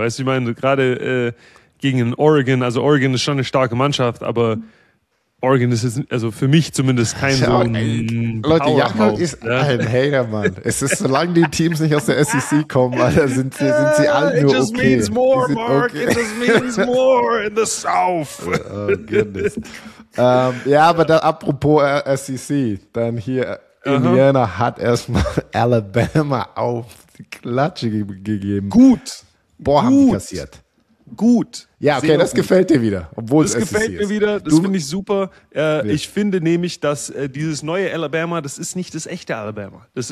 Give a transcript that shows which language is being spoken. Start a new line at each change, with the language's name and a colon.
German: Weißt du, ich meine, gerade gegen Oregon, also Oregon ist schon eine starke Mannschaft, aber Oregon ist jetzt, also für mich zumindest kein so ein Leute, Jakob ist ein Hater, Mann. Es ist, solange die Teams nicht aus der SEC kommen, Alter, sind sie alle nur okay.
English: It just means more, Mark. Okay. It just means more in the South. Oh, goodness.
German: aber da, apropos SEC, dann hier Indiana hat erstmal Alabama auf die Klatsche gegeben. Gut. Boah, haben die kassiert. Gut. Ja, okay, sehr das gut. Gefällt dir wieder. Obwohl das gefällt mir wieder, das finde ich super. Ich finde nämlich, dass dieses neue Alabama, das ist nicht das echte Alabama.